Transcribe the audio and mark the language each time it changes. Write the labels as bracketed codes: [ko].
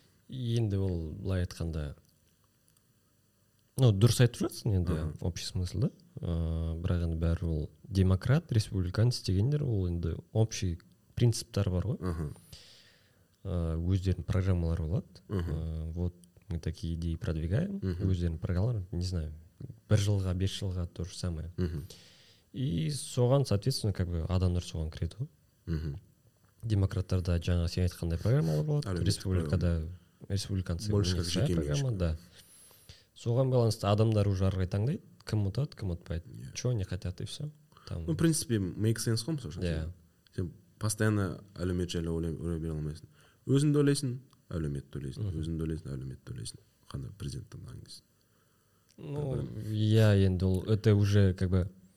[kk] Енді ол былай айтқанда, ну, дұрыс айтып жатсың енді, общий смысл, да? Бірақ енді бәрі ол демократ, республиканец дегендер, ол енді общий принциптар бар ғой. Өздерінің программалары болады. [ru] Вот мы такие идеи продвигаем. [kk] Өздерінің программалары, не знаю, бір жылға, бес жылға то же самое. И соған, соответственно, как бы адамдар соған кіреді ғой. Демократтарда жаңа сен айтқандай программалар болады. Республикада республиканцы бойынша программа, да. Соған байланысты адамдар уже ары қарай таңдайды. Кім ұтады, кім ұтпайды. Yeah. [ru] Чего они хотят, и все. Там... Ну, в принципе, [en] make sense [ru] ғой, мысалы. [en] Yeah. [kk] Сен постоянно әлеумет жайлы ойлай бере алмайсың. Өзіңді ойлайсың, әлеумет төлейсің. Өзіңді ойлайсың, әлеумет төлейсің. Қандай президент таңдаған кезде. [ru] Ну, я енді ол, это уже как бы...